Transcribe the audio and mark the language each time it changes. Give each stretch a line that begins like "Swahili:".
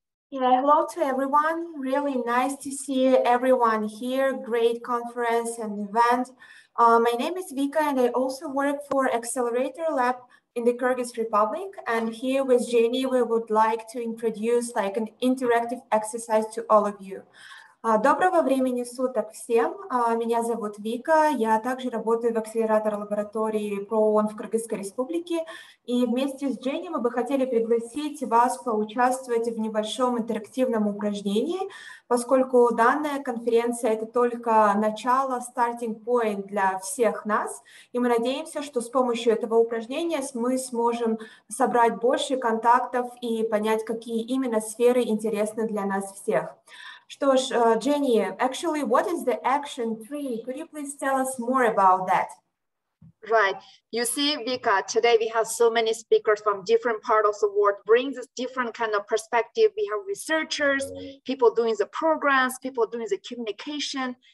English: Yeah, hello to everyone. Really nice to see everyone here. Great conference and event. My name is Vika, and I also work for Accelerator Lab in the Kyrgyz Republic. And here with Jenny, we would like to introduce an interactive exercise to all of you.
Russian: Доброго времени суток всем. Меня зовут Вика. Я также работаю в акселератор лаборатории ПРООН в Кыргызской Республике. И вместе с Дженни мы бы хотели пригласить вас поучаствовать в небольшом интерактивном упражнении, поскольку данная конференция — это только начало,
English: starting point
Russian: для всех нас. И мы надеемся, что с помощью этого упражнения мы сможем собрать больше контактов и понять, какие именно сферы интересны для нас всех. Что ж,
English: Jenny, actually, what is the action 3? Could you please tell us more about that? Right. You see, Vika, today we have so many speakers from different parts of the world, bring this different kind of perspective. We have researchers, people doing the programs, people doing the communication.